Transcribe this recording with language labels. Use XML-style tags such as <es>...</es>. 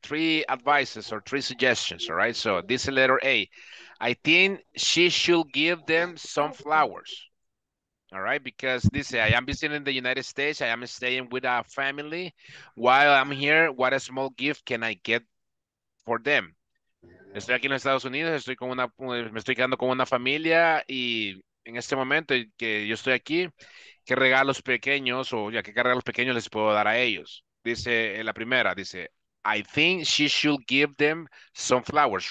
<en>Three advices or three suggestions, all right? So this is letter A. I think she should give them some flowers. All right, because this I am visiting the United States. I am staying with a family. While I'm here, what a small gift can I get for them?</en> <es>Estoy aquí en Estados Unidos. Estoy con una, me estoy quedando con una familia. Y en este momento que yo estoy aquí, ¿qué regalos pequeños o ya qué regalos pequeños les puedo dar a ellos? Dice la primera, dice,</es> <en>I think she should give them some flowers.</en>